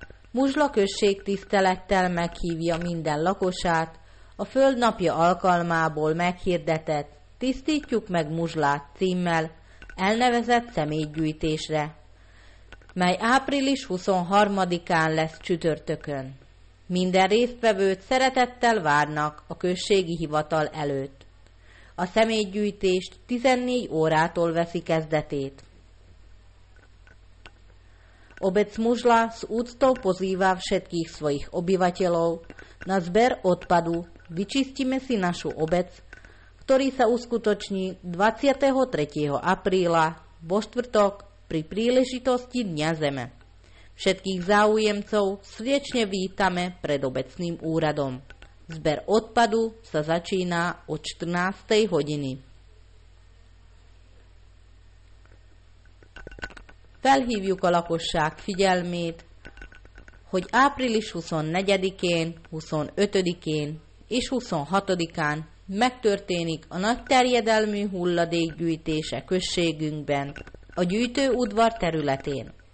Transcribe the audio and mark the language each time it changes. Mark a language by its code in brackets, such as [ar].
[hu] Muzsla község tisztelettel meghívja minden lakosát, a földnapja alkalmából meghirdetett Tisztítjuk meg Muzslát címmel elnevezett személygyűjtésre, mely április 23-án lesz csütörtökön. Minden résztvevőt szeretettel várnak a községi hivatal előtt. A személygyűjtést 14 órától veszi kezdetét. [sk] Obec Muzsla s úctou pozýva všetkých svojich obyvateľov na zber odpadu Vyčistíme si našu obec, ktorý sa uskutoční 23. apríla vo štvrtok pri príležitosti Dňa Zeme. Všetkých záujemcov srdečne vítame pred obecným úradom. Zber odpadu sa začína od 14. hodiny. [hu] Felhívjuk a lakosság figyelmét, hogy április 24-én, 25-én és 26-án megtörténik a nagy terjedelmű hulladékgyűjtése községünkben, a gyűjtőudvar területén.